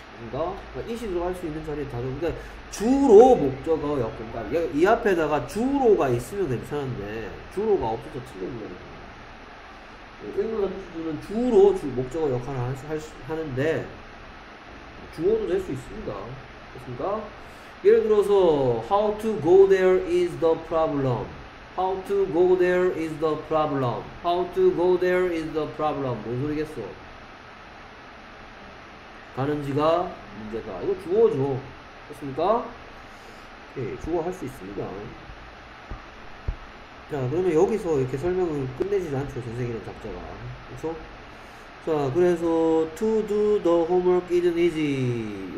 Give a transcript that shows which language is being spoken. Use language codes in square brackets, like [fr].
[ko] 그러니까 it이 들어갈 수 있는 자리에 다 들어. 그러니까 주로 목적어 역할. 그러니까 이 앞에다가 주로가 있으면 괜찮은데 주로가 없어서 틀린 거예요. 의문사 투두는 주로 목적어 역할을 하는데 주어도 될 수 있습니다. 그렇습니까? 예를 들어서 [en] how to go there is the problem. How to go there is the problem. How to go there is the problem. [ko] 뭔 소리겠어? 가는지가 문제다. 이거 주어죠. 그렇습니까? 예, 주어 할 수 있습니다. 자, 그러면 여기서 이렇게 설명을 끝내지도 않죠. 선생님은 작자가. 그쵸? 자, 그래서 [en] to do the homework isn't easy.